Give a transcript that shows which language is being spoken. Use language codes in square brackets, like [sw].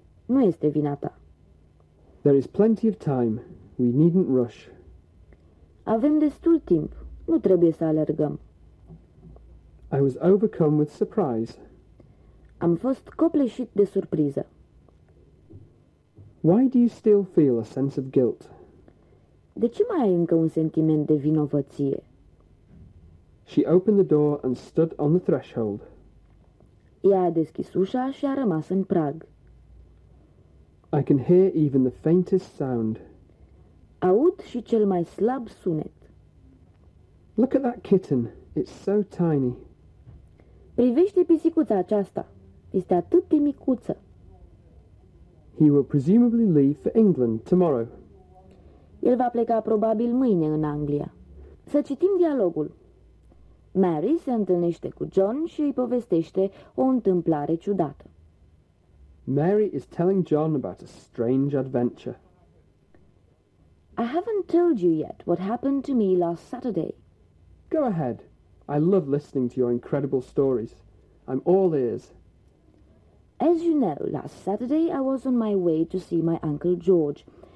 [ro] Nu este vina ta. [en] There is plenty of time. We needn't rush. [ro] Avem destul timp. Nu trebuie să alergăm. [en] I was overcome with surprise. [ro] Am fost copleșit de surpriză. [en] Why do you still feel a sense of guilt? [ro] De ce mai ai încă un sentiment de vinovăție? [en] She opened the door and stood on the threshold. [ro] Ea a deschis ușa și a rămas în prag. [en] I can hear even the faintest sound. [ro] Aud și cel mai slab sunet. [en] Look at that kitten. It's so tiny. [ro] Privește pisicuța aceasta. Este atât de micuță. [en] He will presumably leave for England tomorrow. [ro] El va pleca probabil mâine în Anglia. Să citim dialogul. Mary se întâlnește cu John și îi povestește o întâmplare ciudată. [en] Mary is telling John about a strange adventure. I haven't told you yet what happened to me last Saturday. Go ahead. I love listening to your incredible stories. I'm all ears. As you know, last Saturday I was on my way to see my Uncle George.